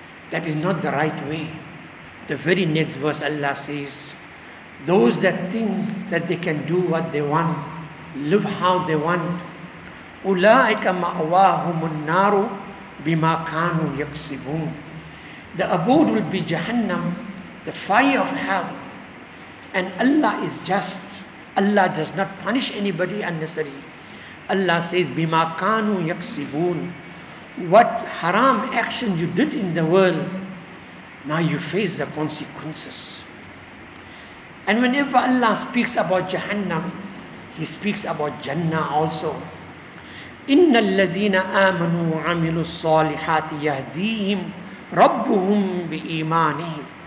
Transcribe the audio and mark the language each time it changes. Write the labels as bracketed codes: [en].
[en] That is not the right way. The very next verse Allah says, those that think that they can do what they want, live how they want, [ar] أُولَٰئِكَ مَأْوَاهُمُ النَّارُ بِمَا كَانُوا يَكْسِبُونَ. [en] The abode will be Jahannam, the fire of hell. And Allah is just. Allah does not punish anybody unnecessarily. Allah says, [ar] بِمَا كَانُوا يَكْسِبُونَ. [en] What haram action you did in the world, now you face the consequences. And whenever Allah speaks about Jahannam, He speaks about Jannah also. [ar] إِنَّ الَّذِينَ آمَنُوا وَعَمِلُوا الصَّالِحَاتِ يَهْدِيهِمْ رَبُّهُمْ بِإِيمَانِهِمْ.